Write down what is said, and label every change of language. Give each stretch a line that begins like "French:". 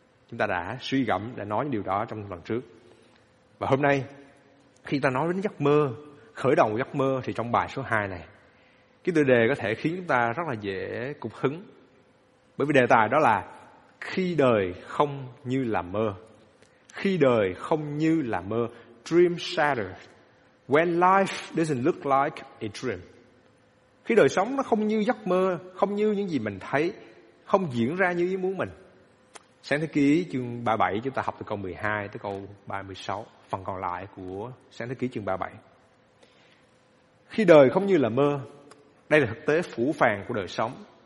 Vietnamese: Chúng ta đã suy gẫm, đã nói những điều đó trong lần trước. Và hôm nay, khi ta nói đến giấc mơ, khởi đầu giấc mơ thì trong bài số 2 này, cái tựa đề có thể khiến chúng ta rất là dễ cục hứng. Bởi vì đề tài đó là khi đời không như là mơ. Khi đời không như là mơ,
English: dream shattered, when life doesn't look like a dream.
Vietnamese: Khi đời sống nó không như giấc mơ, không như những gì mình thấy, không diễn ra như ý muốn mình. Sáng Thế Ký chương 37 chúng ta học từ câu 12 tới câu 36, phần còn lại của Sáng Thế Ký chương 37. Khi đời không như là mơ, đây là thực tế phũ phàng của đời sống.